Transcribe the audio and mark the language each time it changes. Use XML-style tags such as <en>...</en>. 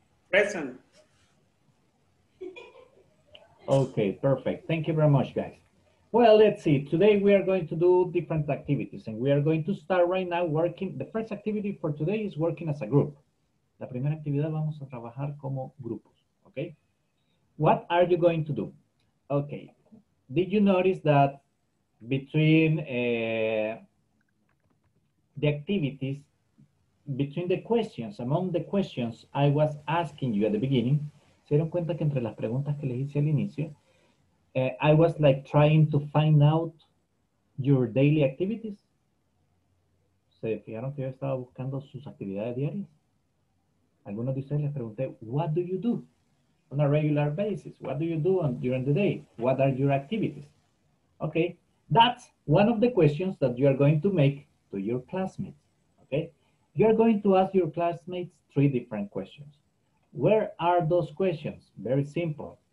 <en>Present. Okay, perfect. Thank you very much, guys. Well, let's see. Today we are going to do different activities and we are going to start right now working. The first activity for today is working as a group.</en> <es>La primera actividad vamos a trabajar como grupos.</es> <en>Okay. What are you going to do? Okay. Did you notice that between the activities, between the questions, among the questions I was asking you at the beginning,</en> <es>se dieron cuenta que entre las preguntas que les hice al inicio,</es> <en>I was like trying to find out your daily activities.</en> <es>¿Se fijaron que yo estaba buscando sus actividades diarias? Algunos de ustedes les pregunté,</es> <en>what do you do on a regular basis? What do you do on, during the day? What are your activities? Okay, that's one of the questions that you are going to make to your classmates, okay? You're going to ask your classmates three different questions. Where are those questions? Very simple.</en>